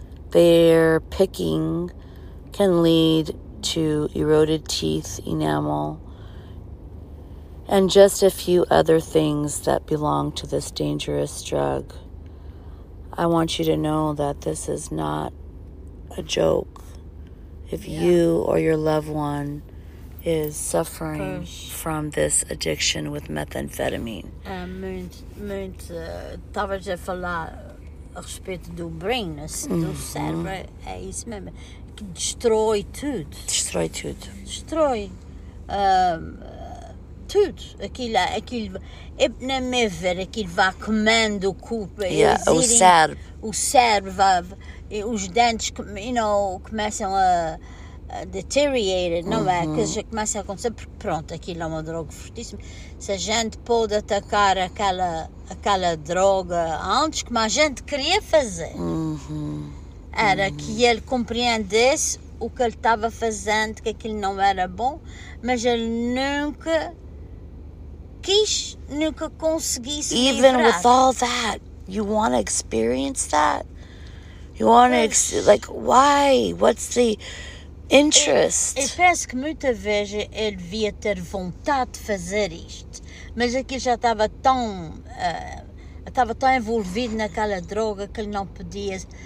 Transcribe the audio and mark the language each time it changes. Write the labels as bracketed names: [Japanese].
[English] Their picking can lead to eroded teeth, enamel, and just a few other things that belong to this dangerous drug. I want you to know that this is not a joke. If you or your loved one is suffering from this addiction with methamphetamine. [Portuguese] Muito, talvez a falar a respeito do brain, do cérebro, é isso mesmo. Que destrói tudo. Destrói tudo. Destrói. Tudo, aquilo, na minha ver, aquilo vai comendo o corpo. Yeah, o cérebro. O cérebro vai, os dentes, começam a deteriorar, não é? Coisas já começam a acontecer, porque pronto, aquilo é uma droga fortíssima. Se a gente pode atacar aquela droga antes, como a gente queria fazer, era que ele compreendesse o que ele estava fazendo, que aquilo não era bom, mas ele nunca... [English] Even with all that, you want to experience that? You want to, like, why? What's the interest? [Portuguese] Eu penso que muita vez ele devia ter vontade de fazer isto. Mas aqui já estava tão... estava tão envolvido naquela droga que ele não podia...